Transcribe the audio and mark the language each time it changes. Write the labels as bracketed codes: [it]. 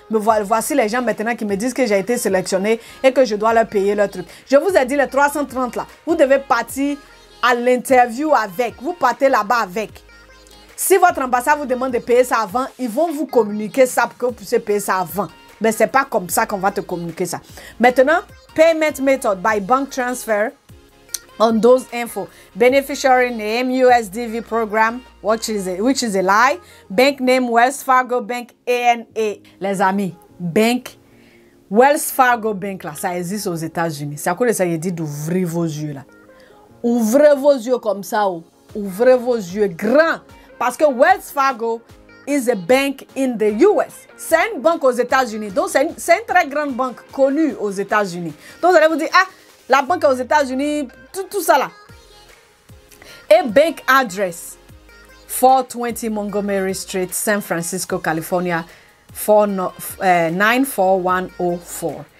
[fr] Mais voici les gens maintenant qui me disent que j'ai été sélectionné et que je dois leur payer leur truc. Je vous ai dit les 330 là. Vous devez partir à l'interview avec. Vous partez là-bas avec. Si votre ambassade vous demande de payer ça avant, ils vont vous communiquer ça pour que vous puissiez payer ça avant. Mais ce n'est pas comme ça qu'on va te communiquer ça. Maintenant, [en] payment method by bank transfer on those info. Beneficiary name, USDV program, which is a lie. Bank name, Wells Fargo Bank, ANA. [fr] Les amis, bank, Wells Fargo Bank, là, ça existe aux États-Unis. C'est à quoi ça y est dit d'ouvrir vos yeux là. Ouvrez vos yeux comme ça, oh. Ouvrez vos yeux grands. Parce que [en] Wells Fargo is a bank in the US. [fr] C'est une banque aux États-Unis. Donc, c'est une très grande banque connue aux États-Unis. Donc, vous allez vous dire, ah, la banque aux États-Unis, tout ça là. [en] Et bank address, 420 Montgomery Street, San Francisco, California, 94104.